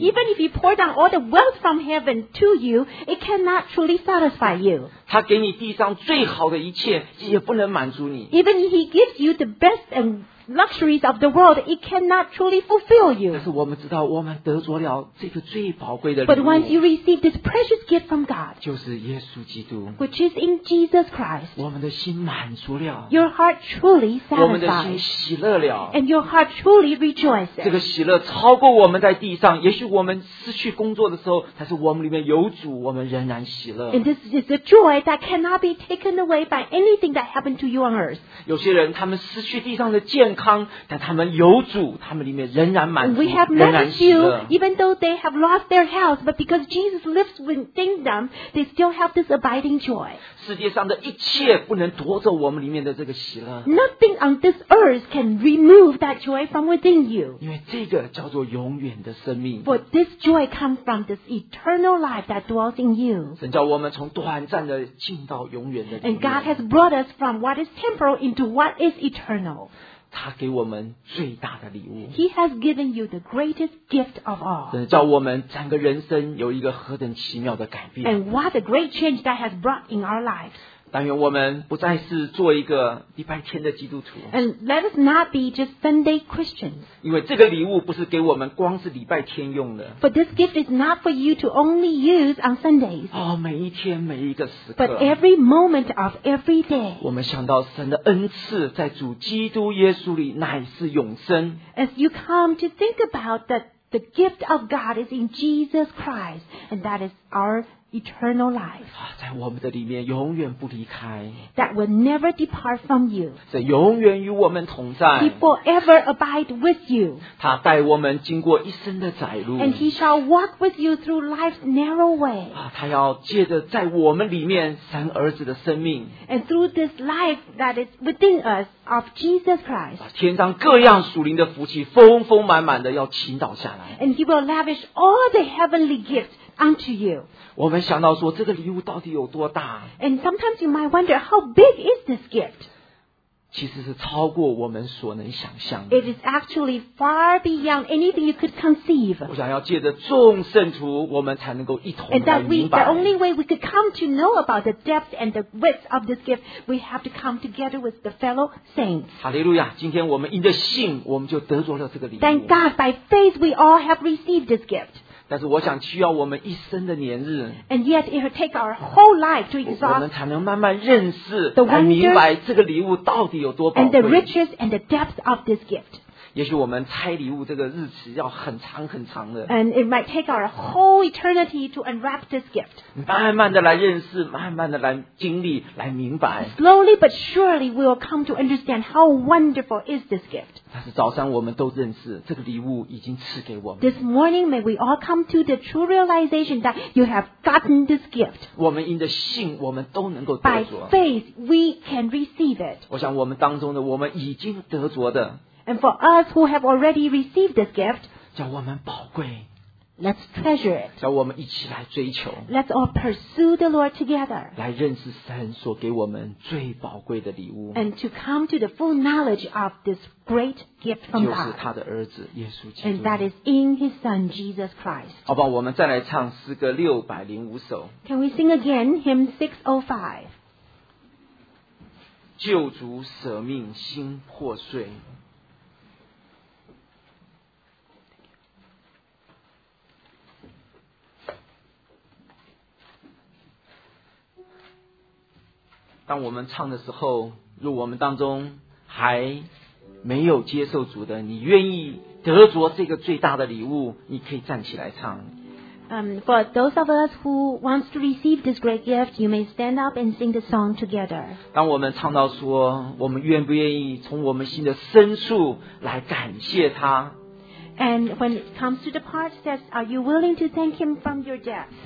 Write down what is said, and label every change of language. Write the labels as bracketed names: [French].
[English] Even if he poured out all the wealth from heaven to you it cannot truly satisfy you [Chinese] 他给你地上最好的一切也不能满足你 [English] Even if he gives you the best and luxuries of the world, it cannot truly fulfill you. [Chinese] 但是我们知道，我们得着了这个最宝贵的礼物。 [English] But once you receive this precious gift from God, [Chinese] 就是耶稣基督。 [English] Which is in Jesus Christ. [Chinese] 我们的心满足了。 [English] Your heart truly satisfied. [Chinese] 我们的心喜乐了。 [English] And your heart truly rejoices. [Chinese] 这个喜乐超过我们在地上。也许我们失去工作的时候，但是我们里面有主，我们仍然喜乐。 [English] And this is a joy that cannot be taken away by anything that happened to you on earth. [Chinese] 有些人他们失去地上的健康，但他们有主，他们里面仍然满足，仍然喜乐。 [English] We have many few, even though they have lost their health, but because Jesus lives within them, they still have this abiding joy. [Chinese] 世界上的一切不能夺走我们里面的这个喜乐。 [English] Nothing on this earth can remove that joy from within you. [Chinese] 因为这个叫做永远的生命。 [English] For this joy comes from this eternal life that dwells in you. [Chinese] 神叫我们从短暂的进到永远的里面。 [English] And God has brought us from what is temporal into what is eternal. [Chinese] 他给我们最大的礼物。 [English] He has given you the greatest gift of all. [Chinese] 神叫我们整个人生有一个何等奇妙的改变。 [English] And what a great change that has brought in our lives. [Chinese] 但愿我们不再是做一个礼拜天的基督徒。 [English] And let us not be just Sunday Christians. [Chinese] 因为这个礼物不是给我们光是礼拜天用的。 [English] But this gift is not for you to only use on Sundays. [Chinese] 哦，每一天每一个时刻。 [English] But every moment of every day. [Chinese] 我们想到神的恩赐在主基督耶稣里乃是永生。 [English] As you come to think about that the gift of God is in Jesus Christ, and that is our. Eternal life [Chinese] 在我们的里面永远不离开 [English] that will never depart from you [Chinese] 这永远与我们同在 [English] he forever abide with you [Chinese] 他带我们经过一生的窄路 [English] and he shall walk with you through life's narrow way [Chinese] 他要借着在我们里面神儿子的生命 [English] and through this life that is within us of Jesus Christ [Chinese] 天上各样属灵的福气丰丰满满的要倾倒下来 [English] and he will lavish all the heavenly gifts unto you [Chinese] 我们想到说这个礼物到底有多大 [English] And sometimes you might wonder how big is this gift? [Chinese] 其实是超过我们所能想象的 [English] It is actually far beyond anything you could conceive [Chinese] 我想要借着众圣徒我们才能够一同来明白 [English] And that the only way we could come to know about the depth and the width of this gift we have to come together with the fellow saints [Chinese] Hallelujah 今天我们因着信我们就得着了这个礼物 [English] Thank God by faith we all have received this gift [Chinese] 但是我想需要我们一生的年日 [English] And yet it will take our whole life to exhaust [Chinese] 我们才能慢慢认识来明白这个礼物到底有多宝贵 [English] And the riches and the depth of this gift [Chinese] 也许我们拆礼物这个日子要很长很长的 [English] And it might take our whole eternity to unwrap this gift [Chinese] 慢慢的来认识慢慢的来经历来明白 [English] Slowly but surely we will come to understand how wonderful is this gift [Chinese] 但是早上我们都认识这个礼物已经赐给我们 [English] This morning may we all come to the true realization that you have gotten this gift [Chinese] 我们因着信我们都能够得着 [English] By faith we can receive it [Chinese] 我想我们当中的我们已经得着的 [English] And for us who have already received this gift [Chinese] 叫我们宝贵 [English] Let's treasure it [Chinese] 叫我们一起来追求 [English] Let's all pursue the Lord together [Chinese] 来认识神所给我们最宝贵的礼物 [English] And to come to the full knowledge of thisGreat gift from God. [Chinese] 就是他的儿子耶稣基督。 [English] And that is in His Son Jesus Christ. [Chinese] 好吧，我们再来唱诗歌605首。 [English] Can we sing again hymn 605? [Chinese] 救主舍命心破碎。当我们唱的时候，若我们当中还没有接受主的你愿意得着这个最大的礼物你可以站起来唱 [English] For those of us who wants to receive this great gift you may stand up and sing the song together [Chinese] 当我们唱到说我们愿不愿意从我们心的深处来感谢他 [English] And when it comes to the part that are you willing to thank him from your depth